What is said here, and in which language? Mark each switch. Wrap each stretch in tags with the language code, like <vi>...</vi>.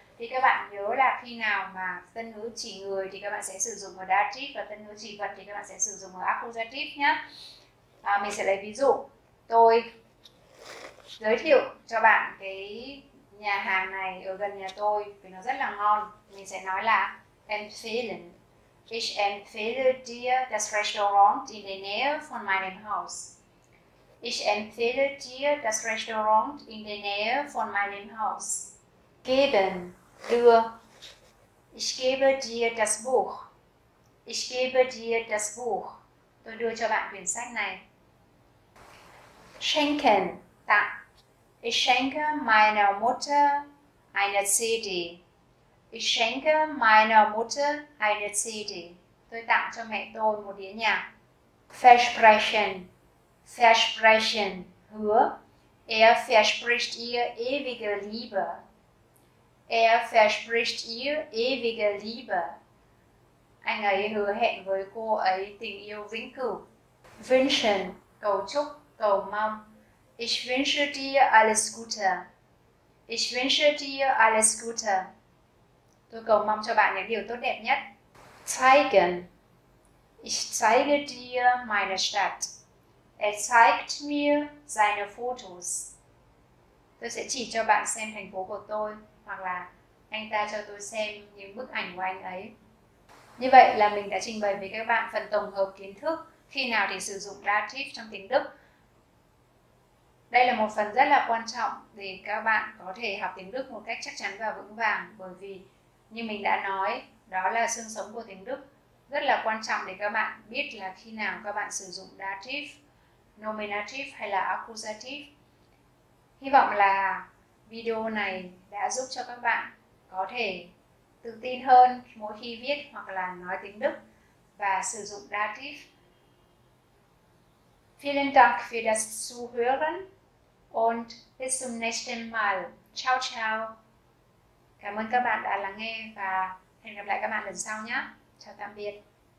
<vi>Thì các bạn nhớ là khi nào mà tân ngữ chỉ người thì các bạn sẽ sử dụng ở dative và tân ngữ chỉ vật thì các bạn sẽ sử dụng ở accusative nhé. Mình sẽ lấy ví dụ, tôi giới thiệu cho bạn cái nhà hàng này ở gần nhà tôi vì nó rất là ngon. Mình sẽ nói là empfehlen.</vi> <de>Ich empfehle dir das Restaurant in der Nähe von meinem Haus. Ich empfehle dir das Restaurant in der Nähe von meinem Haus. Geben, đưa. Ich gebe dir das Buch. Ich gebe dir das Buch.</de> <vi>Tôi đưa cho bạn quyển sách này. Schenken, tặng.</vi> <de>Ich schenke meiner Mutter eine CD. Ich schenke meiner Mutter eine CD.</de> <vi>Tôi tặng cho mẹ tôi một đĩa nhạc.</vi> <de>Versprechen. Versprechen.</de> <vi>Hứa.</vi> <de>Er verspricht ihr ewige Liebe.</de> <vi>Anh ấy hứa hẹn với cô ấy tình yêu vĩnh cửu. Wünschen. Cầu chúc, cầu mong.</vi> <de>Ich wünsche dir alles Gute. Ich wünsche dir alles Gute.</de> <vi>Tôi cầu mong cho bạn những điều tốt đẹp nhất.</vi> <de>Zeigen. Ich zeige dir meine Stadt. zeigt mir seine Fotos.</de> <vi>Tôi sẽ chỉ cho bạn xem thành phố của tôi, hoặc là anh ta cho tôi xem những bức ảnh của anh ấy. Như vậy là mình đã trình bày với các bạn phần tổng hợp kiến thức khi nào thì sử dụng dative trong tiếng Đức. Đây là một phần rất là quan trọng để các bạn có thể học tiếng Đức một cách chắc chắn và vững vàng, bởi vì như mình đã nói, đó là xương sống của tiếng Đức. Rất là quan trọng để các bạn biết là khi nào các bạn sử dụng dative, nominative hay là accusative. Hy vọng là video này đã giúp cho các bạn có thể tự tin hơn mỗi khi viết hoặc là nói tiếng Đức và sử dụng dative.</vi> <de>Vielen Dank für das Zuhören und bis zum nächsten Mal. Ciao ciao.</de> <vi>Cảm ơn các bạn đã lắng nghe và hẹn gặp lại các bạn lần sau nhé. Chào tạm biệt.</vi>